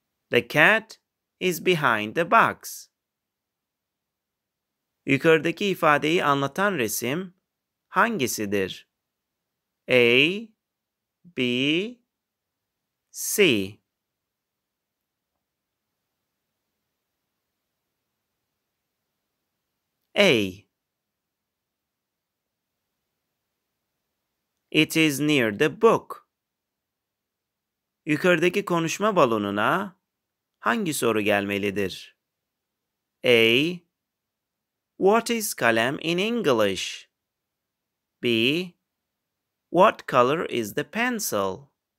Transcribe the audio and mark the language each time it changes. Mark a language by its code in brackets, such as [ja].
[en] The cat is behind the box. [tr] Yukarıdaki ifadeyi anlatan resim hangisidir? A, B, C. A. [en] It is near the book. [tr] Yukarıdaki konuşma balonuna hangi soru gelmelidir? A. [en] What is column in English? B. What color is the pencil?